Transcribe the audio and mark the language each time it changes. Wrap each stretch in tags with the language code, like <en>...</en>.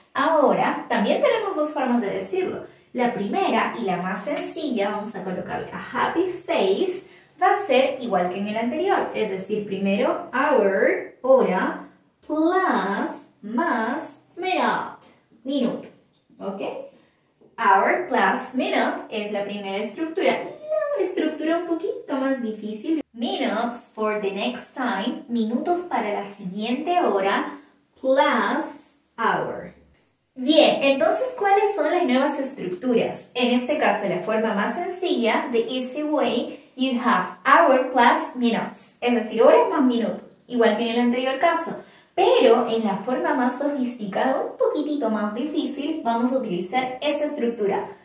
<es>Ahora también tenemos dos formas de decirlo. La primera y la más sencilla, vamos a colocarle a happy face, va a ser igual que en el anterior, es decir, primero hour, hora, plus, más, minute, minuto. ¿Ok? Hour plus minute es la primera estructura. Y la estructura un poquito más difícil.</es> <en>Minutes for the next time.</en> <es>Minutos para la siguiente hora. Plus hour. Bien, entonces, ¿cuáles son las nuevas estructuras? En este caso, la forma más sencilla,</es> <en>the easy way, you have hour plus minutes.</en> <es>Es decir, horas más minutos. Igual que en el anterior caso. Pero en la forma más sofisticada, un poquitito más difícil, vamos a utilizar esta estructura.</es>